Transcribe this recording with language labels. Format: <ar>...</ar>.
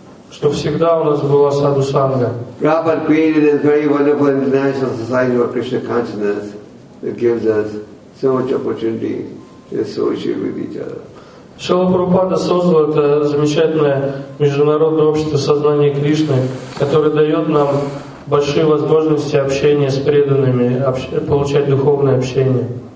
<ru>Что всегда у нас была саду-санга.</ru> <en>Prabhupada created this very wonderful international society of Krishna consciousness that gives us so much opportunity to associate with each other.</en> <ru>Шрила Прабхупада создал это замечательное международное общество сознания Кришны, которое дает нам большие возможности общения с преданными, получать духовное общение.</ru>